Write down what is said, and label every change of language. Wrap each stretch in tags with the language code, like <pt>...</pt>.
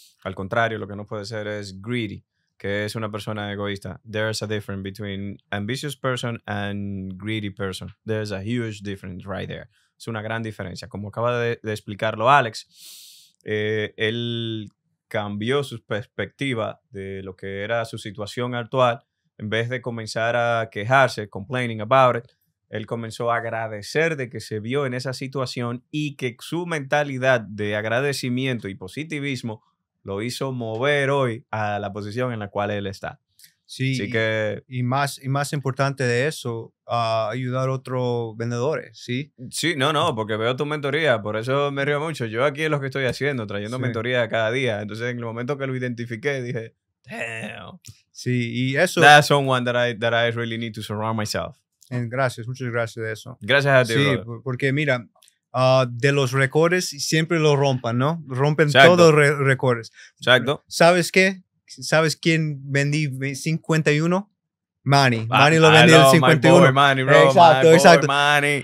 <es>Al contrario, lo que no puede ser es greedy, que es una persona egoísta.</es> <en>There's a difference between ambitious person and greedy person. There's a huge difference right there.</en> <es>es una gran diferencia. Como acaba de explicarlo Alex, él cambió su perspectiva de lo que era su situación actual. En vez de comenzar a quejarse,</es> <en>complaining about it,</en> <es>él comenzó a agradecer de que se vio en esa situación y que su mentalidad de agradecimiento y positivismo lo hizo mover hoy a la posición en la cual él está. Sí, así que, y más importante de eso, ayudar a otros vendedores, ¿sí? Sí, no, porque veo tu mentoría, por eso me río mucho. Yo aquí es lo que estoy haciendo, trayendo mentoría cada día. Entonces, en el momento que lo identifiqué, dije, damn. Sí, y eso...</es> <en>That's someone that I really need to surround myself.</en> <es>Gracias, muchas gracias de eso. Gracias a ti, sí,</es> <en>brother.</en> <es>Porque mira, de los récords siempre lo rompan, ¿no? Rompen todos los récords. Exacto. ¿Sabes qué? ¿Sabes quién vendí 51? Manny. Manny lo vendí el 51. Manny, bro. Exacto, exacto. Manny.</es>